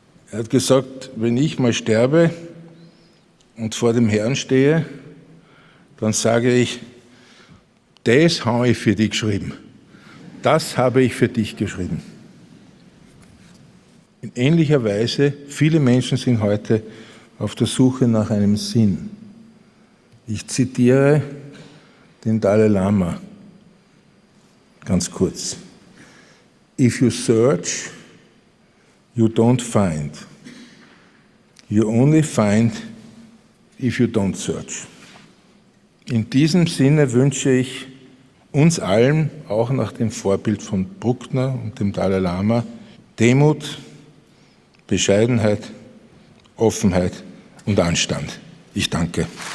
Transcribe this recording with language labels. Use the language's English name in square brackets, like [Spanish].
[German] Er hat gesagt, wenn ich mal sterbe und vor dem Herrn stehe, dann sage ich, das habe ich für dich geschrieben. Das habe ich für dich geschrieben. In ähnlicher Weise, viele Menschen sind heute auf der Suche nach einem Sinn. Ich zitiere den Dalai Lama. Ganz kurz. [English] If you search, you don't find. You only find, if you don't search. [German] In diesem Sinne wünsche ich uns allen, auch nach dem Vorbild von Bruckner und dem Dalai Lama, Demut, Bescheidenheit, Offenheit und Anstand. Ich danke.